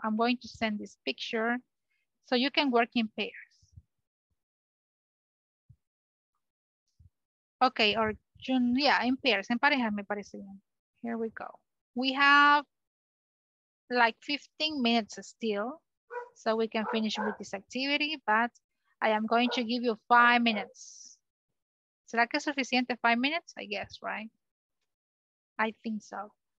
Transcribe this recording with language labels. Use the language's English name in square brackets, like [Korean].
[English] I'm going to send this picture so you can work in pairs. Okay, or yeah, in pairs, [Spanish] en pareja me parece bien. [English] Here we go. We have like 15 minutes still, so we can finish with this activity, but I am going to give you 5 minutes. [Spanish] ¿Será que es suficiente [English] 5 minutes? I guess, right? I think so.